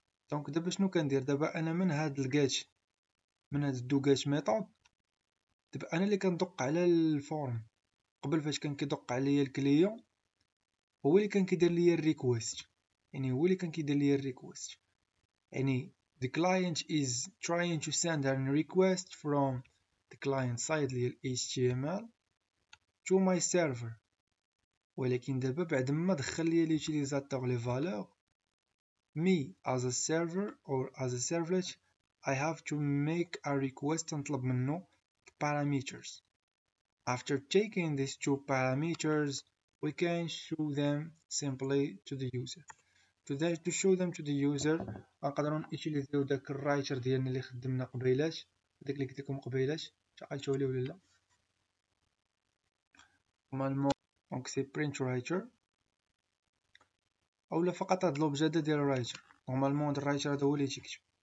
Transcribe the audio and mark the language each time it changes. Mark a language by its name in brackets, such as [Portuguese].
[Arabic] دونك دابا شنو كندير؟ دابا انا من هاد الكاش، من هاد الدوكاش ميثود، دابا انا اللي كندق على الفورم قبل فاش كان كيدق عليا الكليون، هو اللي كان كيدير ليا الريكويست، يعني هو اللي كان كيدير ليا الريكويست، يعني [English] the client is trying to send a request from the client side ديال HTML to my server. [Arabic] ولكن دابا بعد ما دخل لي ليوتيليزاتور لي فالور، مي [English] as a server or as a servlet I have to make a request [Arabic] نطلب منه [English] the parameters. After taking these two parameters we can show them simply to the user. To show them to the user [Arabic] نقدروا نيوتيليزيو داك الرايتر ديالنا اللي خدمنا قبيلاش، داك اللي قلت لكم قبيلاش شغلتو عليه ولا لا. دونك سي برينت رايتر، اولا فقط هاد لوبجي ديال الرايتر نورمالمون، هاد الرايتر هذا هو اللي تيكتب.